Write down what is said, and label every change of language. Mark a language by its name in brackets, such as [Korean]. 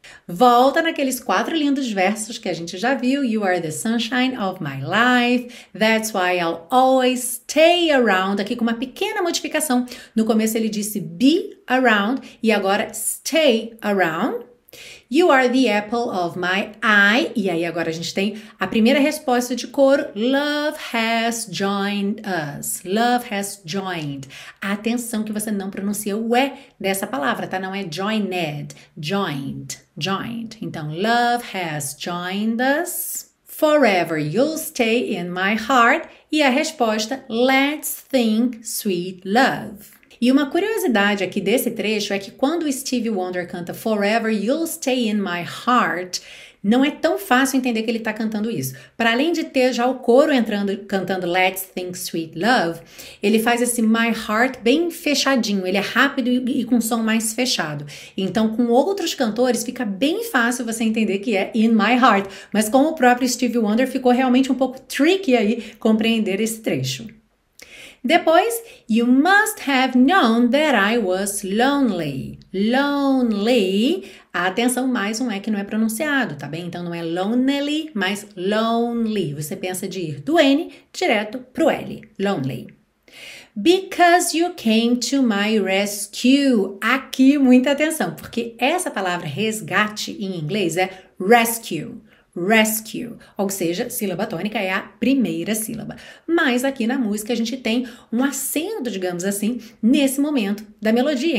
[Portuguese] Volta naqueles quatro lindos versos que a gente já viu. [English] You are the sunshine of my life. That's why I'll always stay around. [Portuguese] Aqui com uma pequena modificação. No começo ele disse [English] be around [Portuguese] e agora [English] stay around. You are the apple of my eye. [Portuguese] E aí agora a gente tem a primeira resposta de coro. [English] Love has joined us. Love has joined. [Portuguese] Atenção que você não pronuncia o E dessa palavra, tá? Não é joined. Joined. Joined. [English] Então, love has joined us. Forever you'll stay in my heart. [Portuguese] E a resposta, [English] let's think sweet love. [Portuguese] E uma curiosidade aqui desse trecho é que quando Stevie Wonder canta [English] Forever You'll Stay In My Heart, [Portuguese] não é tão fácil entender que ele está cantando isso. Para além de ter já o coro entrando, cantando [English] Let's Think Sweet Love, [Portuguese] ele faz esse [English] My Heart [Portuguese] bem fechadinho. Ele é rápido e com som mais fechado. Então, com outros cantores, fica bem fácil você entender que é [English] In My Heart. [Portuguese] Mas com o próprio Stevie Wonder, ficou realmente um pouco tricky aí compreender esse trecho. [English] Depois, you must have known that I was lonely. [Portuguese] Lonely, atenção, mais um E que não é pronunciado, tá bem? Então, não é lonely, mas lonely. Você pensa de ir do N direto pro L, lonely. [English] Because you came to my rescue. [Portuguese] Aqui, muita atenção, porque essa palavra resgate em inglês é rescue. rescue, ou seja, sílaba tônica é a primeira sílaba. Mas aqui na música a gente tem um acento, digamos assim, nesse momento da melodia.